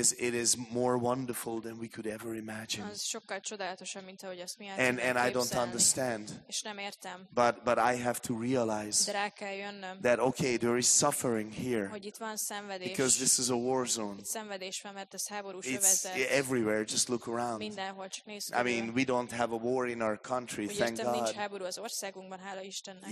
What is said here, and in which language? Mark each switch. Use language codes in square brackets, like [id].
[en] It is more wonderful than we could ever imagine. [hu] Az sokkal csodálatosabb, mint ahogy azt mi el tudjuk képzelni. [en] And I don't understand. [hu] És nem értem. [en] But I have to realize. [hu] De rá kell jönnöm. [en] That okay, there is suffering here. [hu] Hogy itt van szenvedés. [en] Because this is a war zone. [hu] Itt szenvedés van, mert ez háborús övezet. [en] It's everywhere. Just look around. [hu] Mindenhol, csak nézz. [en] I mean, we don't have a war in our country. [hu] Úgy [en] thank God. [hu] Nincs háború az országunkban, hála Istennek.